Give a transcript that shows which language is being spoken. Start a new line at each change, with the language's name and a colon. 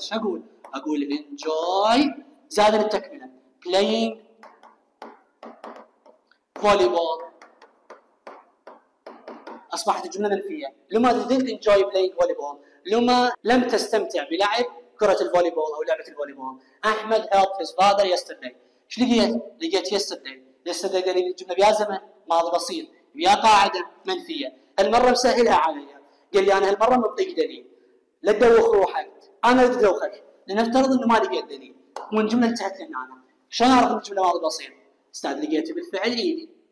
Arabic: شو أقول؟ أقول enjoy زاد التكملة
English: playing volleyball،
Arabic: أصبحت الجملة منفية. لما
English: didn't enjoy playing volleyball،
Arabic: لما لم تستمتع بلعب كرة الفوليبول أو لعبة الفوليبول.
English: أحمد helped his father yesterday.
Arabic: إيش لقيت؟ لقيت yesterday. yesterday قال لي الجملة بيا زمن ماضي بسيط، بيا قاعدة منفية. المرة مسهلها علي، قال لي أنا هالمرة مطيق دليل، لا تدوخ روحك، أنا أدوخك. لنفترض إنه ما لقيت دليل والجملة انتهت لنا، أنا شلون أعرف الجملة ماضي بسيط؟ أستاذ لقيت بالفعل إيدي.